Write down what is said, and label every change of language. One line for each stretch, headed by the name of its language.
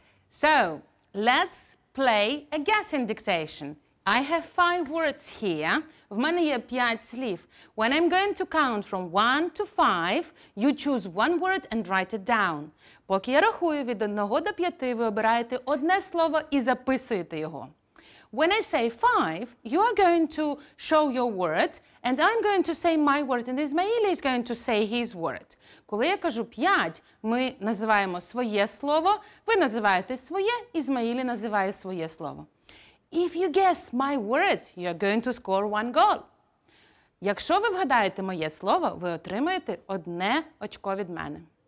English: So, let's play a guessing dictation. I have 5 words here.
Ukrainian: В мене є 5 слів.
English: When I'm going to count from 1 to 5, you choose one word and write it down.
Ukrainian: Поки я рахую від 1 до 5, ви обираєте одне слово і записуєте його.
English: When I say 5, you are going to show your word, and I'm going to say my word, and Ismail is going to say his word.
Ukrainian: Коли я кажу 5, ми називаємо своє слово, ви називаєте своє, Ismail називає своє слово.
English: If you guess my word, you are going to score 1 goal.
Ukrainian: Якщо ви вгадаєте моє слово, ви отримаєте 1 очко від мене.